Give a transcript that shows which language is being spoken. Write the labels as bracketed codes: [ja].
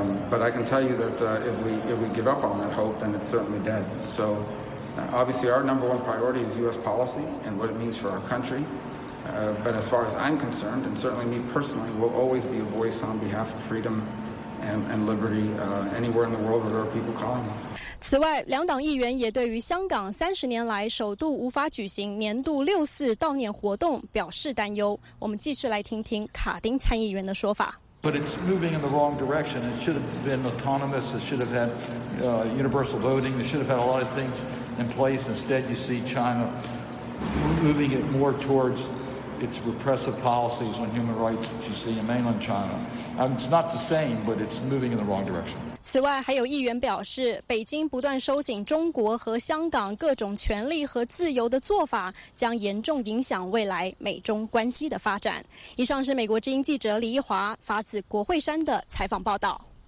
[en] But I can tell you that if we give up on that hope, then it's certainly dead. So obviously our number one priority is U.S. policy and what it means for our country. But as far as I'm concerned, and certainly me personally, we'll always be a voice on behalf of freedom and liberty anywhere in the world where there are people calling them. [zh] 此外，两党议员也对于香港30年来首度无法举行年度六四悼念活动表示担忧。我们继续来听听卡丁参议员的说法。 [en] But it's moving in the wrong direction. It should have been autonomous. It should have had universal voting. It should have had a lot of things in place. Instead, you see China moving it more towards its repressive policies on human rights that you see in mainland China. It's not the same, but it's moving in the wrong direction. [zh] 此外，还有议员表示，北京不断收紧中国和香港各种权利和自由的做法，将严重影响未来美中关系的发展。以上是美国之音记者李一华发自国会山的采访报道。